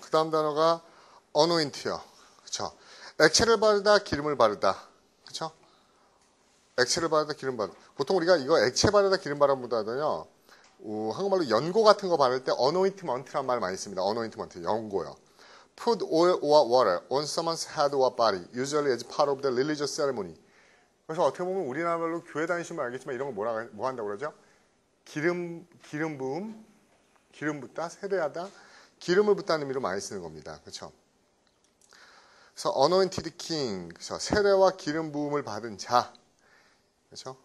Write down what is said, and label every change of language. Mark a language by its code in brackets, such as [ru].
[ko] 그 다음 단어가 anoint요. 그렇죠. 액체를 바르다, 기름을 바르다. 그렇죠? 액체를 바르다, 기름 바르다. 보통 우리가 이거 액체 바르다, 기름 바르다보다는요. 한국말로 연고 같은 거 바를 때 anointment라는 말 많이 씁니다. anointment, 연고요. [en] Put oil or water on someone's head or body, usually as part of the religious ceremony. [ko] 그래서 어떻게 보면 우리나라말로 교회 다니시면 알겠지만 이런 거 뭐 한다고 그러죠? 기름 부음, 기름 붓다, 세례하다, 기름을 붓다는 의미로 많이 쓰는 겁니다. 그렇죠? 그래서 [en] anointed king, [ko] 그렇죠? 세례와 기름 부음을 받은 자, 그렇죠?